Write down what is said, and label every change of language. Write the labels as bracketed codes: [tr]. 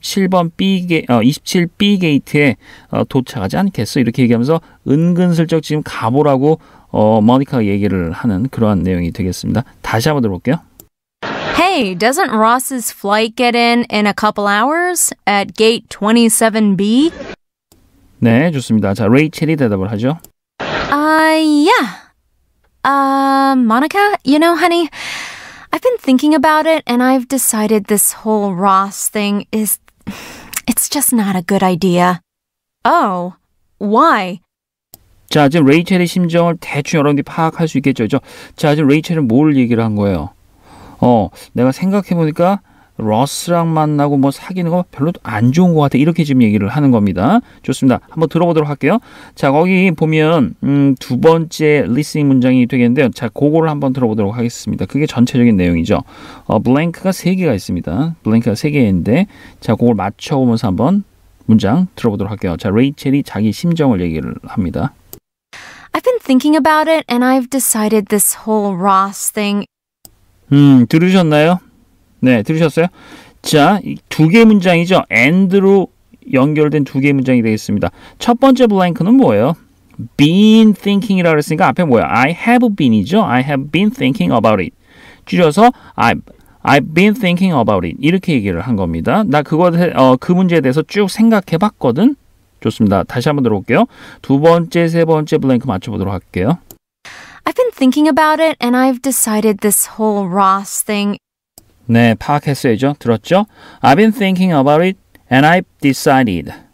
[ko] 27B 게이트에 도착하지 않겠어 이렇게 얘기하면서 은근슬쩍 지금 가보라고 모니카가 얘기를 하는 그러한 내용이 되겠습니다. 다시 한번 들어볼게요. [en] Hey, doesn't Ross's flight get in a couple hours at gate 27B? [ko] 네, 좋습니다. 자, 레이첼이 대답을 하죠. [en] Yeah. Monica, you know, honey, I've been thinking about it, and I've decided this whole Ross thing is... It's just not a good idea. Oh, why? [ko] 자, 지금 레이첼의 심정을 대충 여러분들이 파악할 수 있겠죠. 자, 지금 레이첼은 뭘 얘기를 한 거예요? 내가 생각해보니까 러스랑 만나고 뭐 사귀는 거 별로 안 좋은 것 같아. 이렇게 지금 얘기를 하는 겁니다. 좋습니다. 한번 들어보도록 할게요. 자, 거기 보면 두 번째 리스닝 문장이 되겠는데요. 자, 그거를 한번 들어보도록 하겠습니다. 그게 전체적인 내용이죠. 블랭크가 세 개가 있습니다. 블랭크가 세 개인데 자, 그걸 맞춰보면서 한번 문장 들어보도록 할게요. 자, 레이첼이 자기 심정을 얘기를 합니다. [en] I've been thinking about it and I've decided this whole Ross thing. [ko] 들으셨나요? 네, 들으셨어요? 자, 두 개의 문장이죠. and로 연결된 두 개의 문장이 되겠습니다. 첫 번째 블랭크는 뭐예요? been thinking이라고 했으니까 앞에 뭐예요? [en] I have been [ko] 이죠. [en] I have been thinking about it. 줄여서 I've been thinking about it. [ko] 이렇게 얘기를 한 겁니다. 나 그 문제에 대해서 쭉 생각해 봤거든. 좋습니다. 다시 한번 들어볼게요. 두 번째, 세 번째 블랭크 맞춰보도록 할게요. [en] I've been thinking about it and I've decided this whole Ross thing. [ko] 네, 파악했어야죠. 들었죠? [en] I've been thinking about it and I've decided.